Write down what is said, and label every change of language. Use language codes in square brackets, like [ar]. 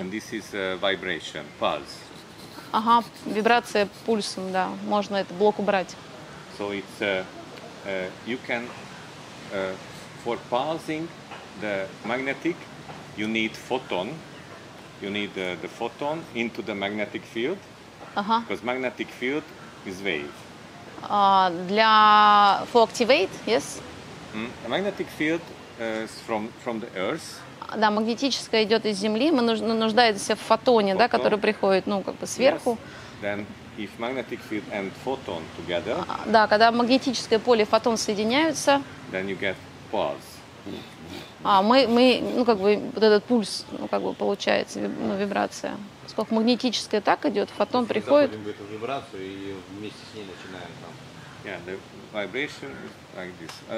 [en] And this is a vibration, pulse. [ru] Ага, вибрация пульсом, да. Можно этот блок убрать. [en] So it's you can for pulsing the magnetic, you need photon. You need the photon into the magnetic field. Because magnetic field is wave. For activate, yes. A magnetic field is from the earth. [ru] да, магнетическая идет из земли, мы нуждаемся в фотоне, да, который приходит, ну, как бы сверху. [en] If magnetic field and photon together, [ru] да, когда магнетическое поле и фотон соединяются, [en] then you get pulse. [ru] Мы, ну как бы вот этот пульс, ну как бы получается, ну, вибрация. Сколько магнетическое так идет, фотон приходит. Мы эту вибрацию и вместе с ней начинаем там. [en] Yeah, the vibration is like this.